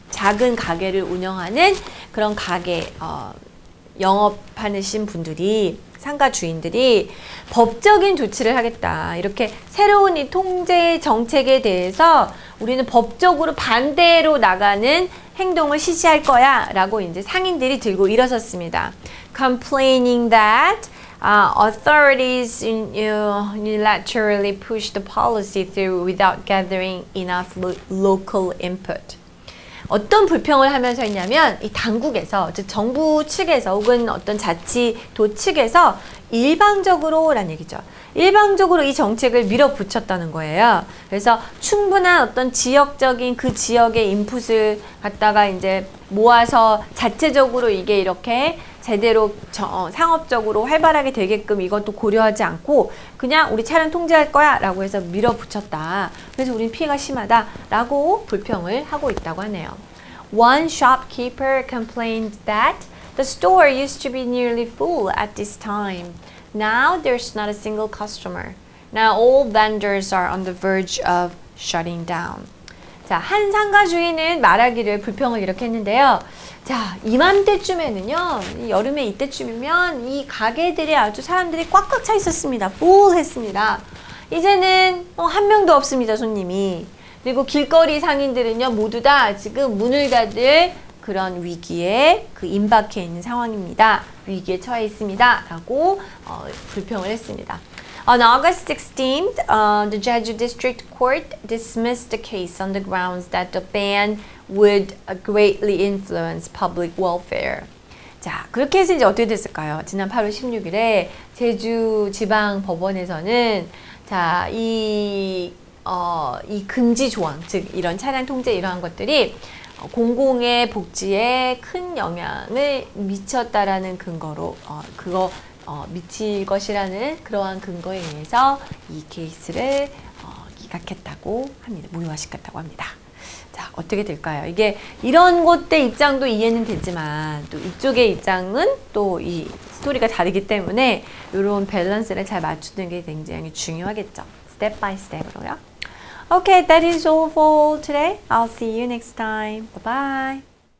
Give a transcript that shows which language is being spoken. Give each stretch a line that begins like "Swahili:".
Korean: 작은 가게를 운영하는 그런 가게 영업하시는 분들이 상가 주인들이 법적인 조치를 하겠다. 이렇게 새로운 이 통제 정책에 대해서 우리는 법적으로 반대로 나가는 행동을 실시할 거야 라고 이제 상인들이 들고 일어섰습니다.
English: Complaining that authorities unilaterally push the policy through without gathering enough local input.
Korean: 어떤 불평을 하면서 했냐면 이 당국에서 즉 정부 측에서 혹은 어떤 자치도 측에서 일방적으로란 얘기죠. 일방적으로 이 정책을 밀어붙였다는 거예요. 그래서 충분한 어떤 지역적인 그 지역의 인풋을 갖다가 이제 모아서 자체적으로 이게 이렇게 제대로 상업적으로 활발하게 되게끔 이것도 고려하지 않고 그냥 우리 차량 통제할 거야 라고 해서 밀어붙였다. 그래서 우린 피해가 심하다 라고 불평을 하고 있다고 하네요.
English: One shopkeeper complained that the store used to be nearly full at this time. Now there's not a single customer. Now all vendors are on the verge of shutting down.
Korean: 자, 한 상가 주인은 말하기를 불평을 이렇게 했는데요. 자, 이맘때쯤에는요. 여름에 이때쯤이면 이 가게들이 아주 사람들이 꽉꽉 차 있었습니다. 풀했습니다. 이제는 한 명도 없습니다. 손님이. 그리고 길거리 상인들은요. 모두 다 지금 문을 닫을 그런 위기에 그 임박해 있는 상황입니다. 위기에 처해 있습니다. 라고 불평을 했습니다.
English: On August 16th, the Jeju District Court dismissed the case on the grounds that the ban would greatly influence public welfare.
Korean: 자, 그렇게 해서 이제 어떻게 됐을까요? 지난 8월 16일에 제주 지방 법원에서는 자, 이 금지 조항, 즉 이런 차량 통제 이러한 것들이 공공의 복지에 큰 영향을 미쳤다라는 근거로 미칠 것이라는 그러한 근거에 의해서 이 케이스를 기각했다고 합니다. 무효화시켰다고 합니다. 자, 어떻게 될까요? 이게 이런 곳의 입장도 이해는 되지만 또 이쪽의 입장은 또 이 스토리가 다르기 때문에 이런 밸런스를 잘 맞추는 게 굉장히 중요하겠죠. 스텝 바이 스텝으로요.
English: Okay, that is all for today. I'll see you next time. Bye-bye.